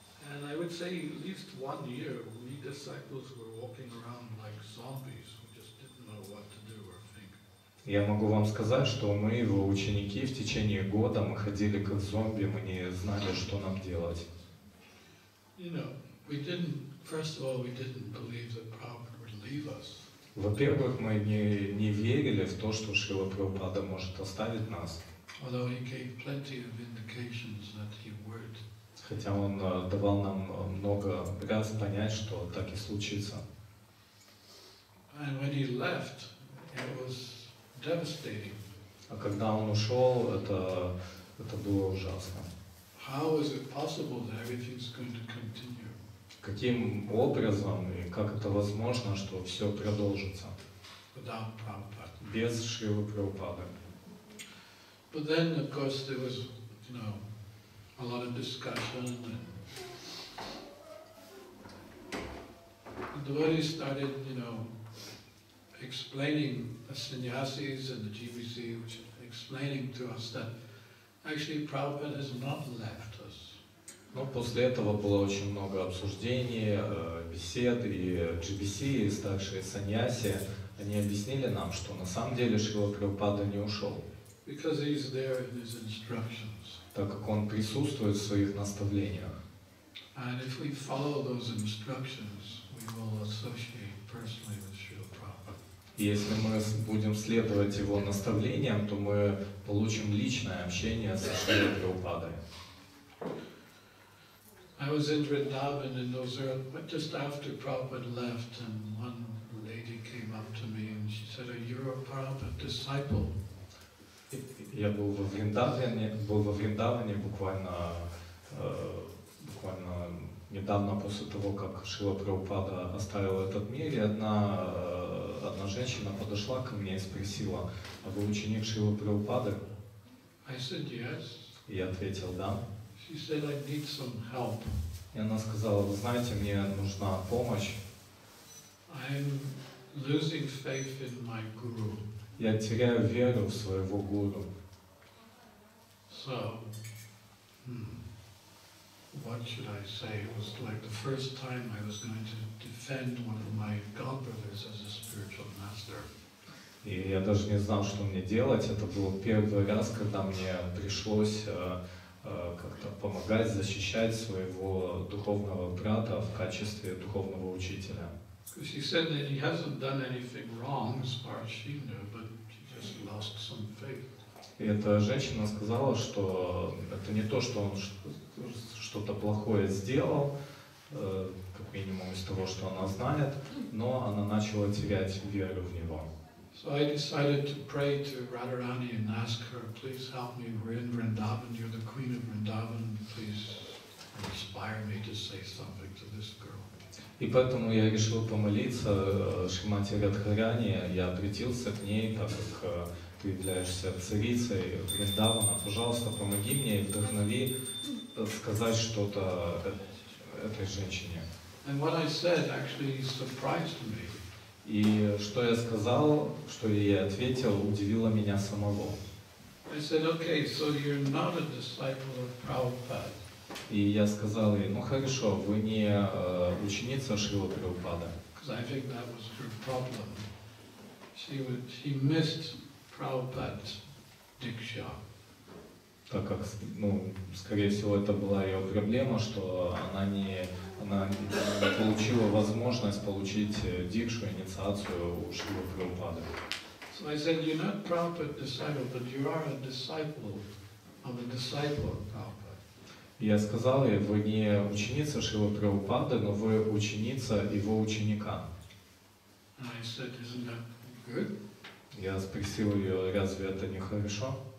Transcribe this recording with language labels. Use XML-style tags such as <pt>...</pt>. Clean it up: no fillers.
<en>And I would say at least 1 year, we disciples were walking around like zombies, we just didn't know what to do or think.</en> <ru>Я могу вам сказать, что мы его ученики в течение года мы ходили как зомби, мы не знали, что нам делать.</ru> <en>You know, we didn't. First of all, we didn't believe that Prabhupada would leave us.</en> <ru>Во-первых, мы не верили в то, что Шрила Прабхупада может оставить нас.</ru> <en>Although he gave plenty of indications that he would.</en> <ru>Хотя он давал нам много раз понять, что так и случится.</ru> <en>And when he left, it was devastating.</en> <ru>А когда он ушел, это было ужасно.</ru> <en>How is it possible that everything's going to continue?</en> <ru>Каким образом и как это возможно, что все продолжится?</ru> <en>Without Prabhupada.</en> <ru>Без Шрилы Прабхупады.</ru> <en>But then, of course, there was, you know, a lot of discussion, and the devotees started, you know, explaining the sannyasis and the GBC, which explaining to us that actually Prabhupada has not left us.</en> <ru>Но после этого было очень много обсуждений, бесед, и GBC, и старшие саньяси, они объяснили нам, что на самом деле Шрила Прабхупада не ушел.</ru> <en>Because he's there in his instructions.</en> <ru>Так как он присутствует в своих наставлениях.</ru> <en>And if we follow those instructions, we will associate personally with Srila Prabhupada.</en> <ru>И если мы будем следовать его наставлениям, то мы получим личное общение со Шрила Прабхупадой.</ru> <en>I was in Vrindavan in those early, just after Prabhupada left, and one lady came up to me and she said, "Are you a Prabhupada disciple?"</en> <ru>Я был во Вриндаване, буквально, буквально недавно после того, как Шрила Прабхупада оставил этот мир, и одна женщина подошла ко мне и спросила, а вы ученик Шрилы Прабхупады?</ru> <en>I said, yes.</en> <ru>Я ответил, да.</ru> <en>She said, I need some help.</en> <ru>И она сказала, вы знаете, мне нужна помощь.</ru> <en>I'm losing faith in my guru.</en> <ru>Я теряю веру в своего гуру.</ru> <en>So, what should I say? It was like the first time I was going to defend one of my godbrothers as a spiritual master.</en> <ru>И я даже не знал, что мне делать. Это был первый раз, когда мне пришлось как-то помогать, защищать своего духовного брата в качестве духовного учителя.</ru> <en>She said that he hasn't done anything wrong, as far as she knew, but he just lost some faith.</en> <ru>И эта женщина сказала, что это не то, что он что-то плохое сделал, как минимум из того, что она знает, но она начала терять веру в него.</ru> <en>So I decided to pray to Radharani and ask her, please help me, we're in Vrindavan, you're the queen of Vrindavan, please inspire me to say something to this girl.</en> <ru>И поэтому я решил помолиться Шримати Радхарани, я обратился к ней, так как ты являешься царицей Вриндавана, пожалуйста, помоги мне и вдохнови сказать что-то этой женщине.</ru> <en>And what I said actually surprised me.</en> <ru>И что я сказал, что я ответил, удивило меня самого.</ru> <en>I said, okay, so you're not a disciple of Prabhupada.</en> <ru>И я сказал ей, ну хорошо, вы не ученица Шрилы Прабхупады.</ru> <en>Because I think that was her problem. She missed Prabhupada's diksha.</en> <ru>Так как, ну, скорее всего, это была ее проблема, что она не получила возможность получить дикшу, инициацию у Шрилы Прабхупады.</ru> <en>So I said, you're not Prabhupada's disciple, but you are a disciple of a disciple of Prabhupada.</en> <ru>Я сказал ей, вы не ученица Шрилы Прабхупады, но вы ученица его ученика.</ru> <en>I said, isn't that good?</en> <ru>Я спросил ее, разве это не хорошо?</ru>